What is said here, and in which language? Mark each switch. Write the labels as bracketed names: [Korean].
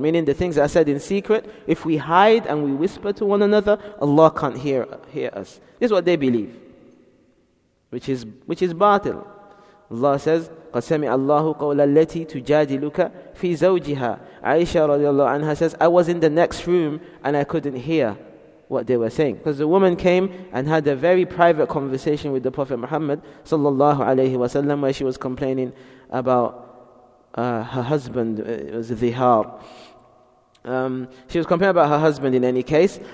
[English] Meaning the things that are said in secret, if we hide and we whisper to one another, Allah can't hear us. This is what they believe. Which is batil. Allah says, [Arabic] قَدْ سَمِعَ اللَّهُ قَوْلَ الَّتِي تُجَادِلُكَ فِي زَوْجِهَا. [English] Aisha radiallahu anha says, I was in the next room and I couldn't hear what they were saying. Because the woman came and had a very private conversation with the Prophet Muhammad sallallahu alayhi wa sallam, where she was complaining about her husband. It was Zihar. She was complaining about her husband in any case.